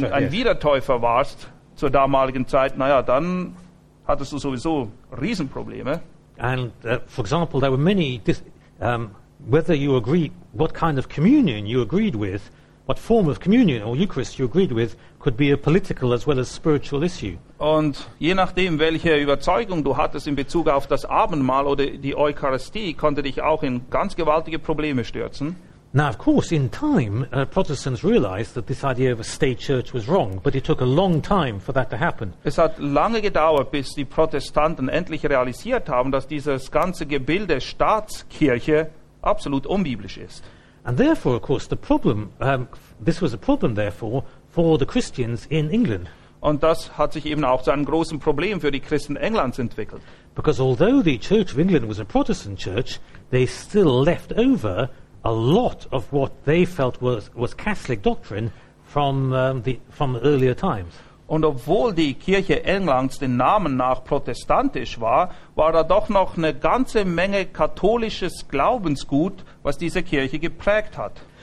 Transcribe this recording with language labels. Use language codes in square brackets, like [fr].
[de] Wiedertäufer warst zur damaligen Zeit, naja, dann hattest du sowieso Riesenprobleme. [en] And for example, there were many, whether you agreed, what kind of communion you agreed with, what form of communion or Eucharist you agreed with, could be a political as well as spiritual issue. [de] Und je nachdem, welche Überzeugung du hattest in Bezug auf das Abendmahl oder die Eucharistie, konnte dich auch in ganz gewaltige Probleme stürzen. [en] Now, of course, in time, Protestants realized that this idea of a state church was wrong, but it took a long time for that to happen. [de] Es hat lange gedauert, bis die Protestanten endlich realisiert haben, dass dieses ganze Gebilde Staatskirche absolut unbiblisch ist. [en] And therefore, of course, the problem, this was a problem, therefore, for the Christians in England. [de] Und das hat sich eben auch zu einem großen Problem für die Christen Englands entwickelt. [en] Because although the Church of England was a Protestant church, they still left over a lot of what they felt was Catholic doctrine from earlier times. [de] Und obwohl die Kirche Englands den Namen nach protestantisch war, war da doch noch eine ganze Menge katholisches Glaubensgut, was diese Kirche geprägt hat.